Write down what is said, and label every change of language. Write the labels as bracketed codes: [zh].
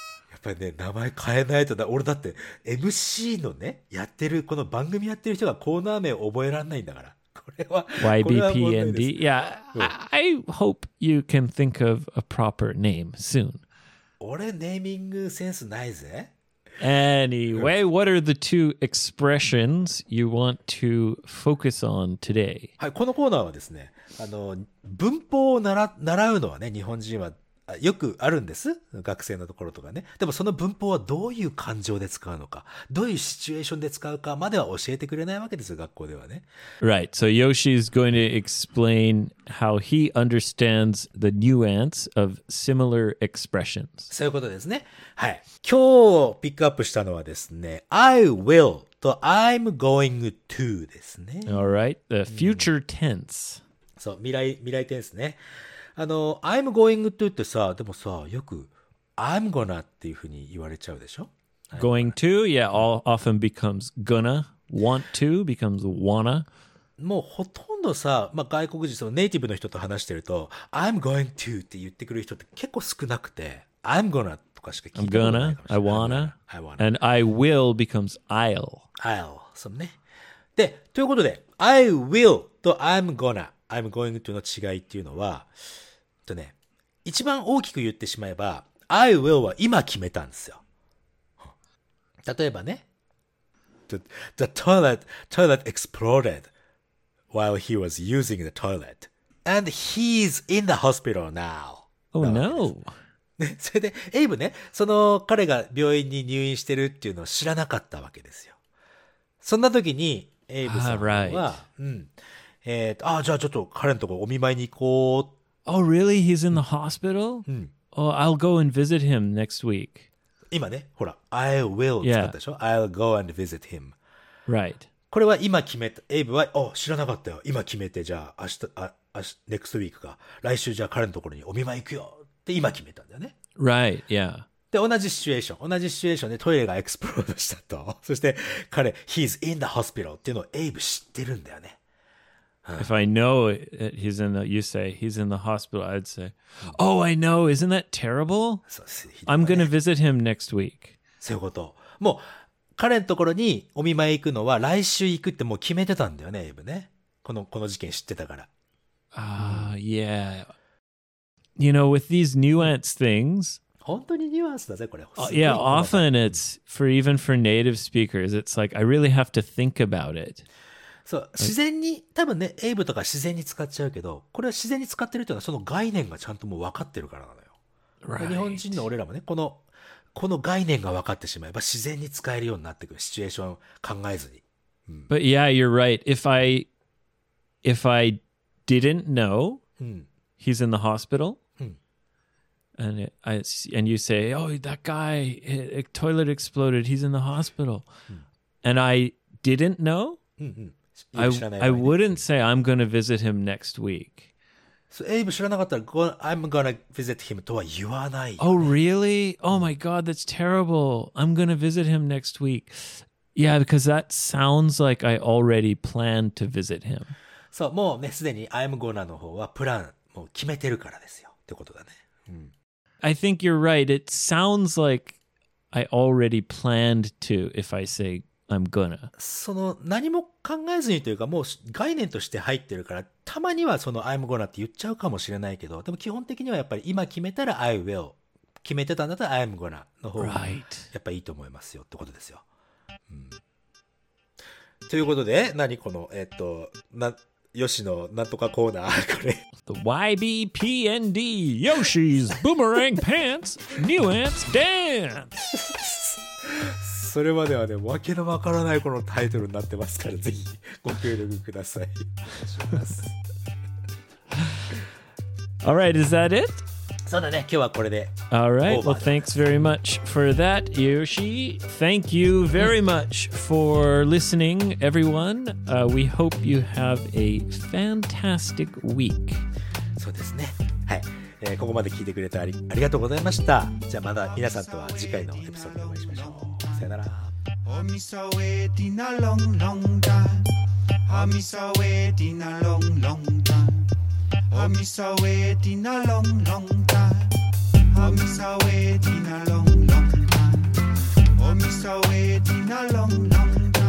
[ja] やっぱりね、名前変えないとだ。俺だって MC のね、やってるこの番組やってる人がコーナー名を覚えられないんだから、これは [en] YBPND。 Yeah、うん、I hope you can think of a proper name soon。 [ja] 俺ネーミングセンスないぜ。 [en] Anyway、うん、What are the two expressions you want to focus on today? [ja] はい、このコーナーはですね、あの文法を習うのはね、日本人はよくあるんです。学生のところとかね。でもその文法はどういう感情で使うのか、どういうシチュエーションで使うかまでは教えてくれないわけですよ、学校ではね。 [en] Right. So Yoshi is going to explain how he understands the nuance of similar expressions. [ja] そういうことですね。はい。今日ピックアップしたのはですね、I will と I'm going to ですね。 [en] All right. The future tense.、 [ja] うん、そう、未来テンスね。あの、I'm going to ってさ、でもさ、よく I'm gonna っていうふうに言われちゃうでしょ。 [en] going to, yeah, all often becomes gonna. Want to becomes wanna. [ja] もうほとんどさ、まあ、外国人、そのネイティブの人と話してると、I'm going to って言ってくる人って結構少なくて、I'm gonna とかしか聞いてない。 [en] I'm gonna, I wanna, I wanna. And I will becomes I'll. [ja] I'll, そうね。で、ということで、I will と I'm gonna, I'm going to の違いっていうのは、ね、一番大きく言ってしまえば、I will は今決めたんですよ。例えばね、 [en] The toilet exploded while he was using the toilet. And he's in the hospital now. Oh no. [ja] それで、エイブね、その彼が病院に入院してるっていうのを知らなかったわけですよ。そんな時に、エイブさんは、 [en] right. [ja] うん、じゃあちょっと彼のとこお見舞いに行こう。 [en] Oh, really? He's in the hospital? Oh, I'll go and visit him next week. [ja] 今ね、ほら、I will 使ったでしょ、 [en] yeah. I'll go and visit him. Right. [ja] これは今決めた。エイブは、お、知らなかったよ。今決めて、じゃあ、 [en] next week [ja] か。来週、じゃあ彼のところにお見舞い行くよ。って今決めたんだよね。 [en] Right, yeah. [ja] で、同じシチュエーション。同じシチュエーションでトイレがエクスプロードしたと。そして、彼、 [en] he's in the hospital [ja] っていうのをエイブ知ってるんだよね。 [en] If I know it, he's in the, you say he's in the hospital, I'd say, oh, I know, isn't that terrible? I'm gonna visit him next week. [ja] そういうこと。もう彼のところにお見舞い行くのは来週行くってもう決めてたんだよね、エイブね。この事件知ってたから。 [en] Yeah. You know, with these nuance things. [ja] 本当にニュアンスだぜこれ。 [en] Yeah, often it's for even for native speakers, it's like I really have to think about it. [ja] そう自然に多分ねエイブとか自然に使っちゃうけどこれは自然に使ってるというのはその概念がちゃんともう分かってるからなのよ、 [en] right. [ja] 日本人の俺らもねこの概念が分かってしまえば自然に使えるようになってくるシチュエーションを考えずに、うん、 [en] But yeah you're right if I didn't know、 [ja] うん、 [en] he's in the hospital、 [ja] うん、 [en] and you say oh that guy toilet exploded he's in the hospital、 [ja] うん、 [en] and I didn't know、 [ja] うんうん [en] I wouldn't say I'm going to visit him next week. [ja] So, Abe, 知らなかったら [en] I'm going to visit him [ja] とは言わない、ね。 [en] Oh, really? Oh, my God, that's terrible. I'm going to visit him next week. Yeah, because that sounds like I already planned to visit him. [ja] So, もうね、すでに I'm going to の方はプランもう決めてるからですよってことだね。うん。 [en] I think you're right. It sounds like I already planned to if I say,I'm gonna. [ja] その何も考えずにというかもう概念として入ってるからたまにはその I'm gonna って言っちゃうかもしれないけどでも基本的にはやっぱり今決めたら I will 決めてたんだったら I'm gonna の方がやっぱいいと思いますよってことですよ、うん、ということで何このヨシのなんとかコーナーこれ [en] The YBPND Yoshi's Boomerang Pants Nuance Dance [ja] それまではね、わけのわからないこのタイトルになってますから、ぜひご協力ください。 [en] All right, is that it? [ja] そうだね、今日はこれで。 [en] All right, well, thanks very much for that, Yoshi. Thank you very much for listening, everyone. We hope you have a fantastic week. [ja] そうですね、はい。ここまで聞いてくれてありがとうございました。じゃあまた皆さんとは次回のエピソードでお会いしましょう。 [en] Oh, me so waiting a long, long time. Oh, me so waiting a long, long time. Oh, me so waiting a long, long time. Oh, me so waiting a long, long time. Oh, me so waiting a long, long time.